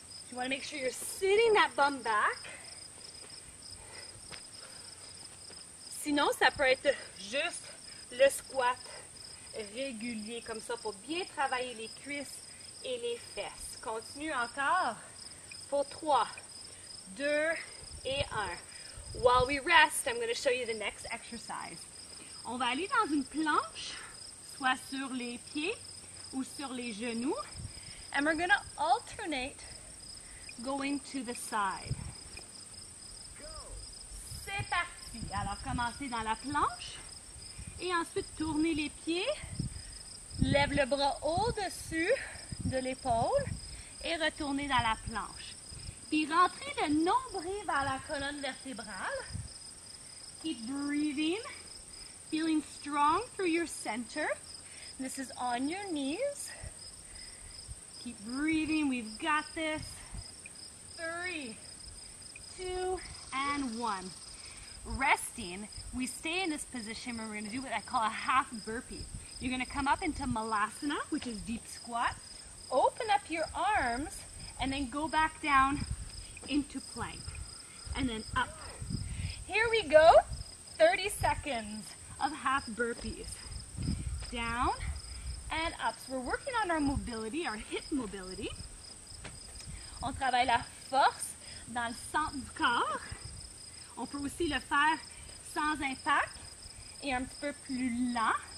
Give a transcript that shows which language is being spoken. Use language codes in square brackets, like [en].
[en] You want to make sure you're sitting that bum back. [fr] Sinon, ça peut être juste le squat régulier, comme ça, pour bien travailler les cuisses et les fesses. Continue encore pour 3, 2 et 1. [en] While we rest, I'm going to show you the next exercise. [fr] On va aller dans une planche, soit sur les pieds ou sur les genoux. [en] And we're going to alternate going to the side. Go! [fr] C'est parti! Alors, commencez dans la planche et ensuite tournez les pieds. Lève le bras au-dessus de l'épaule et retournez dans la planche. Puis rentrez le nombril vers la colonne vertébrale. [en] Keep breathing. Feeling strong through your center. This is on your knees. Keep breathing. We've got this. 3, 2, and one. Resting, we stay in this position. We're going to do what I call a half burpee. You're going to come up into malasana, which is deep squat. Open up your arms and then go back down into plank and then up. Here we go. 30 seconds of half burpees. Down and up. So we're working on our mobility, our hip mobility. [fr] On travaille la force dans le centre du corps. On peut aussi le faire sans impact et un petit peu plus lent.